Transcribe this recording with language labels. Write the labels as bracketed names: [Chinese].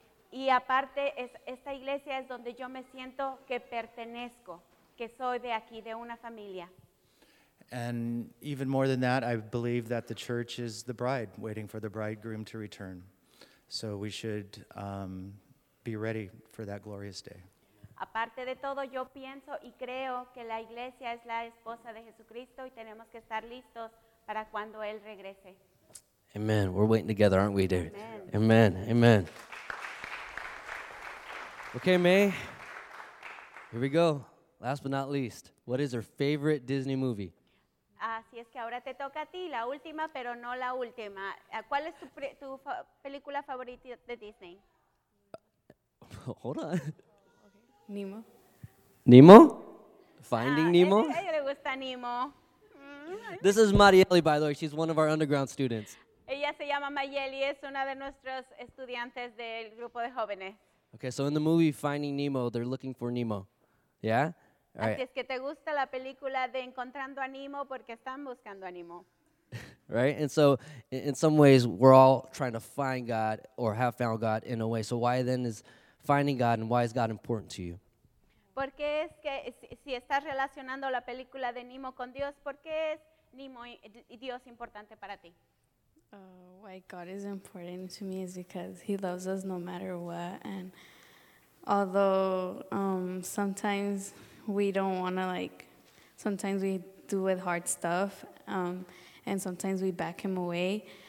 [Spanish] Y aparte, esta iglesia es donde yo me siento que pertenezco, que soy de aquí, de una familia. [English] And even more than that, I believe that the church is the bride, waiting for the bridegroom to return. So we should be ready for that glorious day. [Spanish] Aparte de todo, yo pienso y creo que la iglesia es la esposa de Jesucristo y tenemos que estar listos para cuando Él regrese. [English] Amen. We're waiting together, aren't we, David? Amen. Amen. Amen. Okay, May. Here we go. Last but not least, what is your favorite Disney movie? [Spanish] Así es que ahora te toca a ti, la última, pero no la última. ¿Cuál es tu película favorita de Disney? [English] Hold on. Nemo. Nemo? Finding Nemo? [Spanish] A ella le gusta Nemo. [English] This is Marielle, by the way. She's one of our underground students. [Spanish] Ella se llama Marielle, es una de nuestros estudiantes del grupo de jóvenes. [English] Okay, so in the movie Finding Nemo, they're looking for Nemo. Yeah? All right. [Spanish] Así es que te gusta la película de Encontrando a Nemo porque están buscando a Nemo. [English] Right? And so, in some ways, we're all trying to find God or have found God in a way. So why then is finding God and why is God important to you? [Spanish] Porque es que si estás relacionando la película de Nemo con Dios, ¿por qué es Nemo y Dios importante para ti? [English] Why God is important to me is because he loves us no matter what. And although sometimes we don't want to, like, sometimes we do with hard stuff, and sometimes we back him away.